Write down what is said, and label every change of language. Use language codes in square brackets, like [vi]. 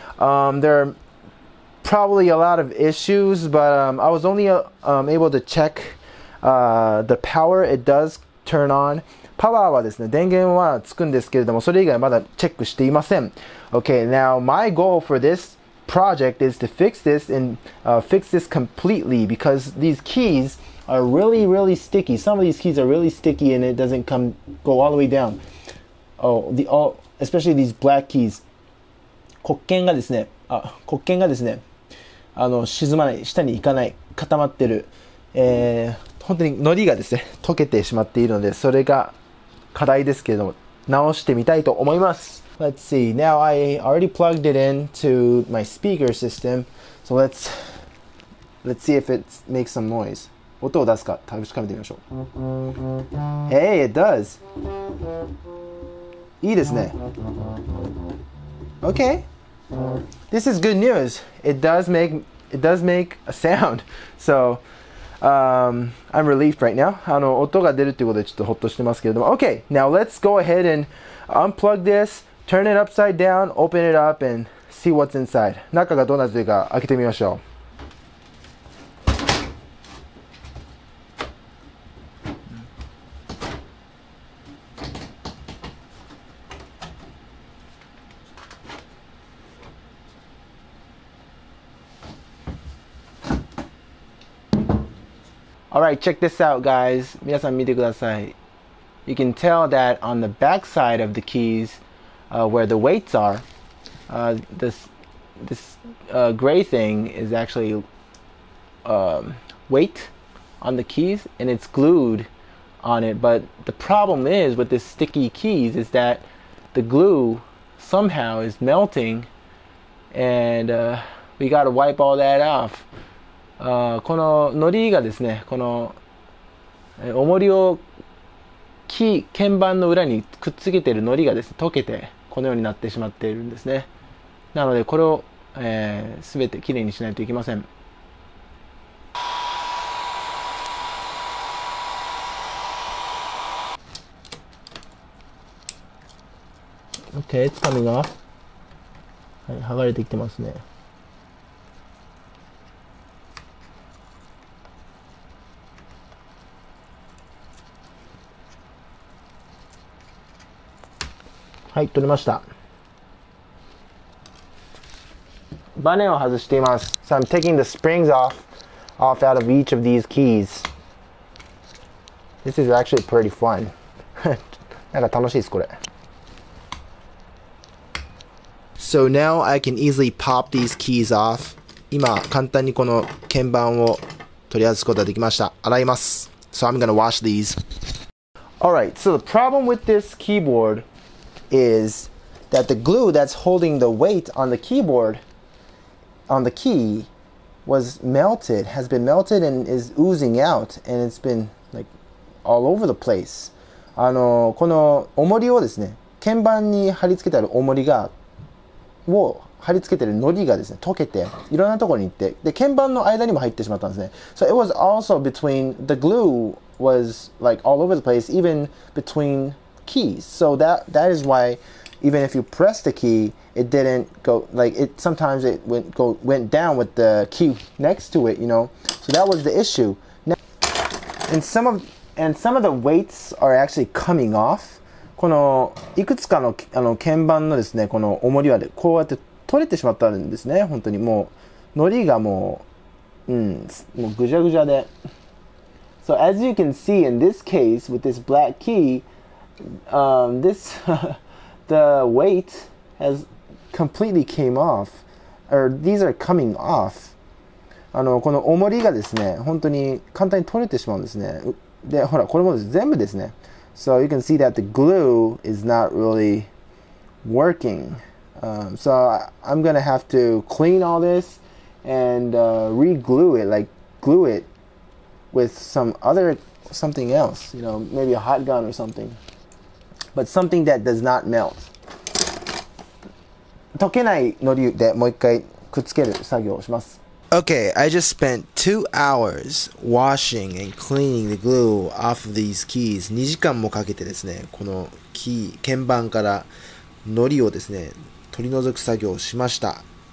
[en] There are probably a lot of issues, but I was only able to check the power. It does turn on. [ja] パワーはですね、電源はつくんですけれども、それ以外まだチェックしていません。 [en] Okay, now my goal for this project is to fix this and fix this completely because these keys are really, really sticky. Some of these keys are really sticky and it doesn't come, go all the way down. Oh, the, all, especially these black keys. [ja] 黒鍵がですね、沈まない、下に行かない、固まってる。本当に糊がですね、溶けてしまっているので、それが課題ですけれども、直してみたいと思います。 [en] Let's see, now I already plugged it into my speaker system. So let's see if it makes some noise. [ja] 音を出すか、確かめてみましょう。 [en] Hey, it does! [ja] いいですね。 [en] Okay. This is good news. It does make a sound. So... I'm relieved right now. [ja] 音が出るということでちょっとホッとしてますけれども。 [en] Okay, now let's go ahead and unplug this, turn it upside down, open it up and see what's inside. [ja] 中がどうなっているか開けてみましょう。 [en] Alright, check this out, guys. [ja] 皆さん見てください。 [en] You can tell that on the back side of the keys, where the weights are, this gray thing is actually weight on the keys, and it's glued on it. But the problem is with this sticky keys is that the glue somehow is melting, and we gotta wipe all that off. [ja] このノリがですね、この重りを鍵盤の裏にくっつけているノリがですね、溶けてこのようになってしまっているんですね。なのでこれを、全てきれいにしないといけません。 OK、つかみが、はい、剥がれてきてますね。はい、取れました。バネを外しています。 [en] So I'm taking the springs off out of each of these keys. This is actually pretty fun. [ja] なんか楽しいです、これ。 [en] So now I can easily pop these keys off. [ja] 今、簡単にこの鍵盤を取り外すことができました。洗います。 [en] So I'm gonna wash these. Alright, so the problem with this keyboard... is that the glue that's holding the weight on the keyboard on the key has been melted and is oozing out and it's been like all over the place. [ja] この重りをですね、鍵盤に貼り付けてある重りがを貼り付けてるのりがですね、溶けていろんなところに行って、で鍵盤の間にも入ってしまったんですね。 [en] So it was also between the glue was like all over the place even betweenkeys. So that is why even if you press the key, it didn't go, like, it sometimes it went down with the key next to it, you know. So that was the issue. Now, and some of the weights are actually coming off. [ja] このいくつかの鍵盤のですね、この重りはこうやって取れてしまったんですね。本当にもう、ノリがもう、もうぐじゃぐじゃで。 [en] So as you can see in this case with this black key,the weight has completely came off, or these are coming off. [ja] この重りがですね、本当に簡単に取れてしまうんですね。で、ほら、これも全部ですね。 [en] So you can see that the glue is not really working. So I'm gonna have to clean all this and re-glue it, like glue it with something else, you know, maybe a hot gun or something. But something that does not melt. [ja] 溶けないのりでもう一回くっつける作業をします。 [en] Okay, I just spent 2 hours washing and cleaning the glue off of these keys. [ja] 2時間もかけてですね、このキー、鍵盤からのりをですね、取り除く作業をしました。